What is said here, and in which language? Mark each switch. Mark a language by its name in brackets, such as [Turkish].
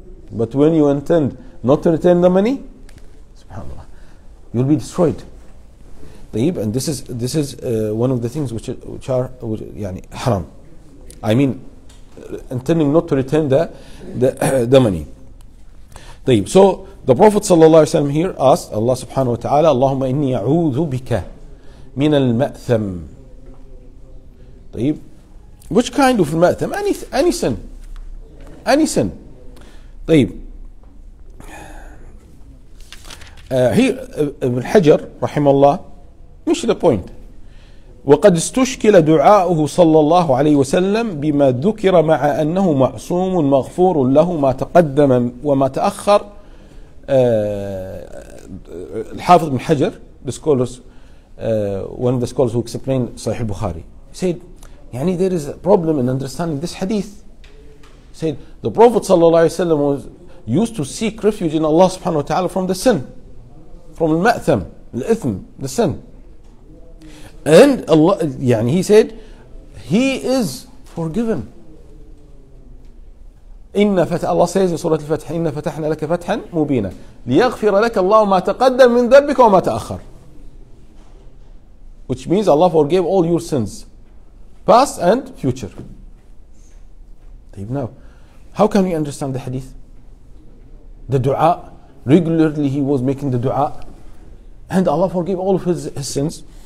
[English] But when you intend not to return the money, subhanAllah, you'll be destroyed. And this is one of the things which are haram. I mean, intending not to return the money. [Arabic] طيب. [English] So the Prophet صلى الله عليه وسلم here asked Allah subhanahu wa ta'ala, [Arabic] اللهم إني أعوذ بك من المأثم. طيب. [English] Which kind of المأثم? Any sin. Any sin. طيب. Here Ibn Hajar رحمه الله [Arabic] مش [English] the point. [Arabic] وقد استشكل دعاؤه صلى الله عليه وسلم بما ذكر مع أنه معصوم مغفور له ما تقدم وما تأخر. [English] الحافظ بن حجر, the scholars, one of the scholars who explained صحيح البخاري, said, يعني there is a problem in understanding this hadith. Said the Prophet صلى الله عليه وسلم was used to seek refuge in Allah سبحانه وتعالى from the sin, from المأثم, الإثم, the sin. And Allah, يعني he said, he is forgiven. [Arabic] إِنَّ فَتَحْنَا, [English] Allah says in Surah Al-Fatih, [Arabic] إِنَّ فَتَحْنَا لَكَ فَتْحًا مُبِينًا لِيَغْفِرَ لَكَ اللَّهُ مَا تَقَدَّمْ مِنْ ذَبِّكَ وَمَا تَأَخَّرَ. [English] Which means Allah forgave all your sins, past and future. Now, how can we understand the hadith? The dua, regularly he was making the dua, and Allah forgave all of his sins.